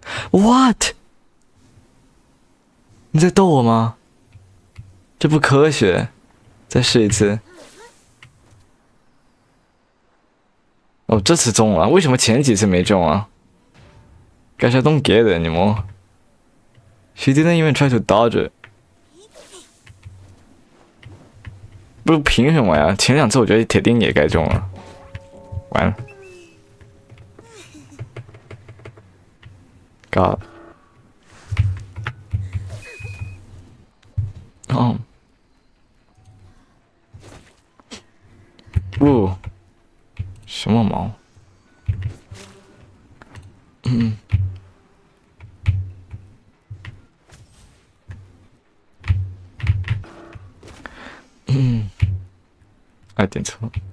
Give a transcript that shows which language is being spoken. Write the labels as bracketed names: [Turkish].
[English] What？ [Chinese] 你在逗我吗？这不科学。再试一次。哦，这次中了，为什么前几次没中啊？ [English] Guess I don't get it anymore. She didn't even try to dodge it. [Chinese] 不凭什么呀，前两次我觉得铁定也该中了，完了 [English] God、 [Chinese] 哦、什么毛、哎，点错。